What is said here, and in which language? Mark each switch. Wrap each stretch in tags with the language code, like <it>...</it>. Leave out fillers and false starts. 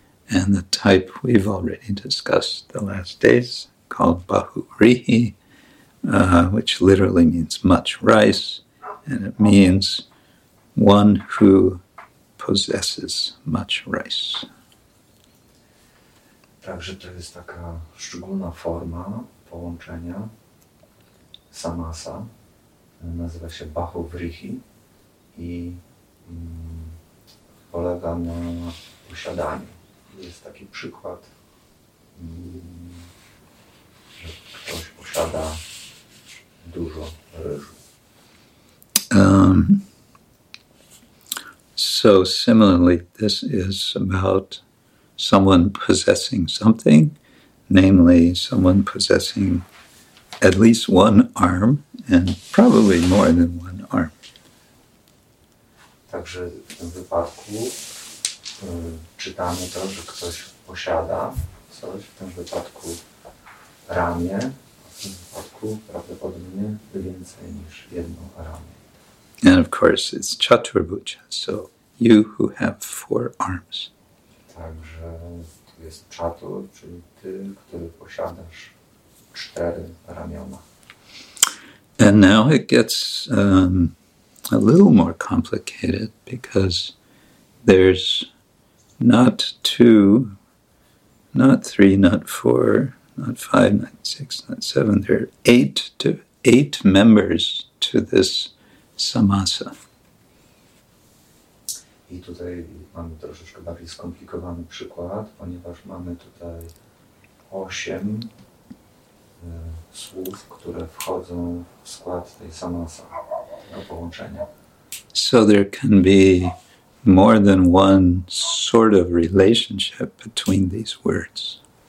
<en>And the type we've already discussed the last days, called bahurihi, which literally means much rice, and it means one who possesses much rice.</en> <pl>Także to jest taka szczególna forma połączenia samasa, nazywa się bahurihi i polega na posiadaniu. Jest taki przykład że ktoś posiada dużo ryżu.</pl> <en>So similarly, this is about someone possessing something, namely someone possessing at least one arm and probably more than one arm.</en> <pl>Także w tym wypadku czytamy to, że ktoś posiada coś, w tym wypadku ramię, a w tym wypadku prawdopodobnie więcej niż jedno ramię.</pl> <en>And of course it's Chaturbhuja, so you who have four arms.</en> <pl>Także tu jest czatur, czyli ty, który posiadasz cztery ramiona.</pl> <en>And now it gets a little more complicated because there's not two, not three, not four, not five, not six, not seven. There are eight members to this samasa.</en> <pl>I tutaj mamy troszeczkę bardziej skomplikowany przykład, ponieważ mamy tutaj osiem słów, które wchodzą w skład tej samasa, do połączenia.</pl> <en>So there can be more than one sort of relationship between these words.</en>